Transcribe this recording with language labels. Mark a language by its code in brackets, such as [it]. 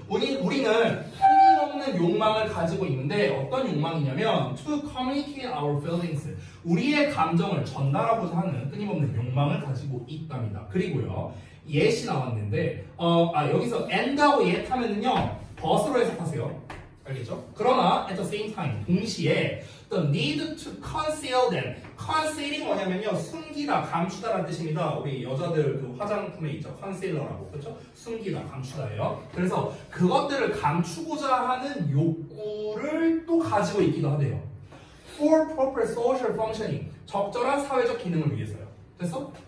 [ko] 우리는 끊임없는 욕망을 가지고 있는데 어떤 욕망이냐면 [en] to communicate our feelings. [ko] 우리의 감정을 전달하고자 하는 끊임없는 욕망을 가지고 있답니다. 그리고요. 예시 나왔는데 여기서 and하고 yet 하면은요. 버스로 해석하세요. 알겠죠? 그러나 [en] at the same time [ko] 동시에 [en] the need to conceal them. [ko] Conceal이 뭐냐면요, 숨기다, 감추다라는 뜻입니다. 우리 여자들 그 화장품에 있죠, 컨실러라고, 그렇죠? 숨기다, 감추다예요. 그래서 그것들을 감추고자 하는 욕구를 또 가지고 있기도 하대요. [en] For proper social functioning, [ko] 적절한 사회적 기능을 위해서요. 됐어?